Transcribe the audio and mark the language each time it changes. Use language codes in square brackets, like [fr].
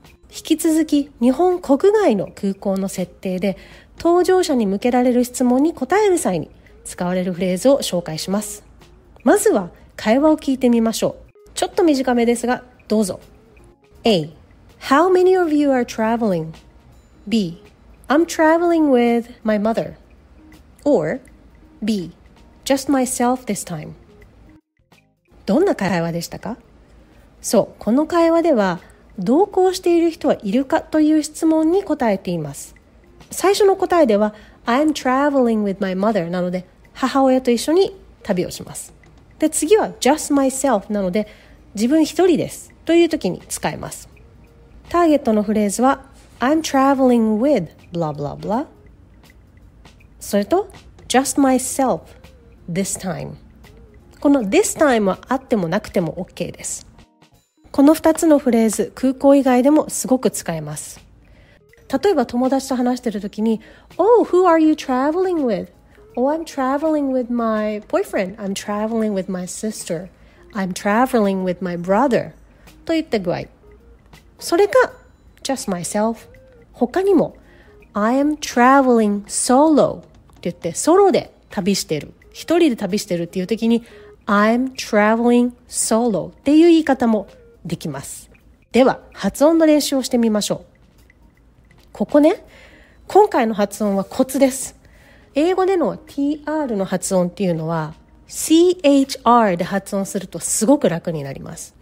[ja] 引き続き日本国外の空港の設定で搭乗者に向けられる質問に答える際に使われるフレーズを紹介します。まずは会話を聞いてみましょう。ちょっと短めですがどうぞ。 [en] A. How many of you are traveling? B. I'm traveling with my mother. Or B. Just myself this time. [ja] どんな会話でしたか？そう、この会話では同行している人はいるかという質問に答えています。最初の答えでは、 [en] I'm traveling with my mother [ja] なので、母親と一緒に旅をします。で、次は [en] just myself [ja] なので、自分一人ですという時に使えます。ターゲットのフレーズは、 [en] I'm traveling with blah blah blah。 [ja] それと、 [en] just myself this time。 [ja] この [en] this time [ja] はあってもなくても OK です。この2つのフレーズ、空港以外でもすごく使えます。例えば友達と話してる時に、 [en] Oh, who are you traveling with? Oh, I'm traveling with my boyfriend. I'm traveling with my sister. I'm traveling with my brother. [ja] と言った具合。それか、 [en] just myself。 [ja] 他にも、 [en] I am traveling solo。 [ja] って言って、ソロで旅してる。一人で旅してるっていう時に、 [en] I'm traveling solo。 [ja] っていう言い方もできます。では、発音の練習をしてみましょう。ここね、今回の発音はコツです。英語での TR の発音っていうのは、CHR で発音するとすごく楽になります。